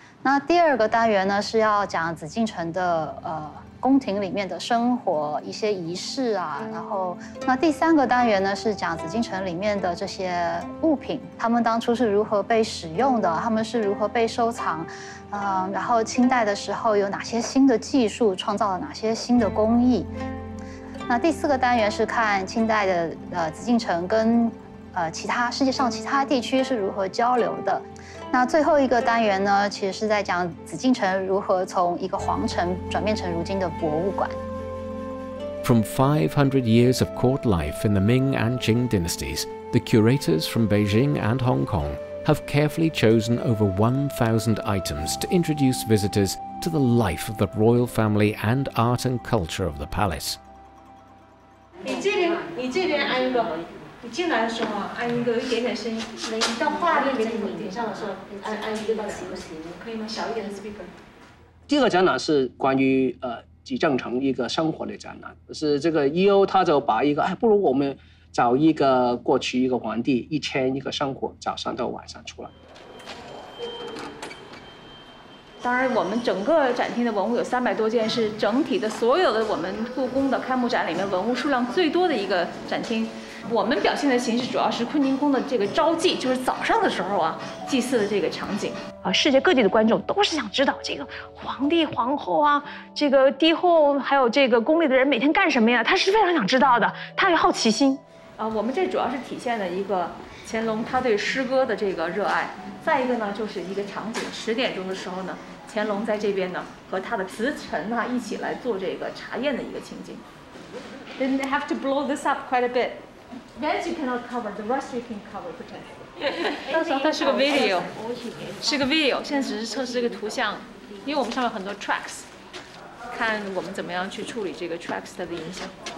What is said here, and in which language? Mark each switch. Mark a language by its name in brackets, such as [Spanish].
[Chinese] 那第二个单元呢，是要讲紫禁城的宫廷里面的生活一些仪式啊，然后那第三个单元呢是讲紫禁城里面的这些物品，他们当初是如何被使用的，他们是如何被收藏，然后清代的时候有哪些新的技术，创造了哪些新的工艺。那第四个单元是看清代的紫禁城跟其他世界上其他地区是如何交流的。那最后一个单元呢，其实是在讲紫禁城如何从一个皇城转变成如今的博物馆。 [English] From 500 years of court life in the Ming and Qing dynasties, the curators from Beijing and Hong Kong have carefully chosen over 1,000 items to introduce visitors to the life of the royal family and art and culture of the palace. [Chinese] 你这边安一个。你进来的时候按一个有一点点声音，能到画面里面。点上的时候按一个到两个行，可以吗？小一点的 speaker。第二个展览是关于紫禁城一个生活的展览，是这个 EO 他就把一个不如我们找一个过去一个皇帝一天一个生活，早上到晚上出来。当然，我们整个展厅的文物有300多件，是整体的所有的我们故宫的开幕展里面文物数量最多的一个展厅。我们表现的形式主要是坤宁宫的这个朝祭，就是早上的时候啊祭祀的这个场景啊。世界各地的观众都是想知道这个皇帝皇后啊，这个帝后还有这个宫里的人每天干什么呀，他是非常想知道的，他有好奇心啊。我们这主要是体现了一个乾隆他对诗歌的这个热爱，再一个呢就是一个场景，10点钟的时候呢，乾隆在这边呢和他的慈臣啊一起来做这个茶宴的一个情景。 [English] Then they have to blow this up quite a bit That you cannot cover, the rest you can cover, potentially. [Chinese] 到时候它是个 video, 是个 video, 现在只是测试这个图像，因为我们上面很多 tracks, 看我们怎么样去处理这个 tracks 的影响。